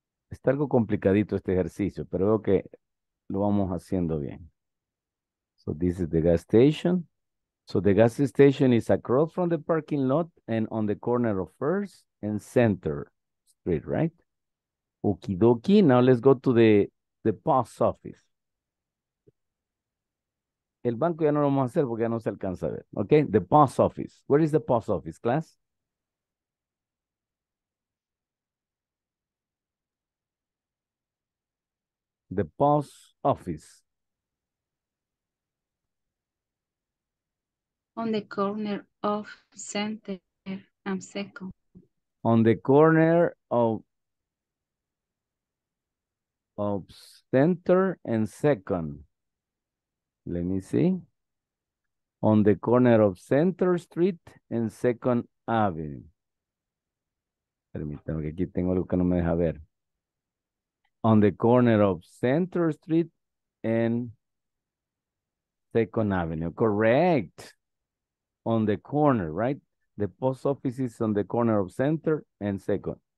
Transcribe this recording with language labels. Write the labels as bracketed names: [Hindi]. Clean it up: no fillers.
[Spanish] Está algo complicadito este ejercicio, pero veo que lo vamos haciendo bien. [English] So this is the gas station. So the gas station is across from the parking lot and on the corner of First and Center Street, right? Okie dokie. Now let's go to the post office. [Spanish] El banco ya no lo vamos a hacer porque ya no se alcanza a ver. [English] Okay, the post office. Where is the post office, class? The post office. On the corner of Center and Second. On the corner of Center and Second. Let me see. On the corner of Center Street and Second Avenue. [Spanish] Permítame que aquí tengo algo que no me deja ver. [English] On the corner of Center Street and Second Avenue. Correct. On the corner, right? The post office is on the corner of Center and Second.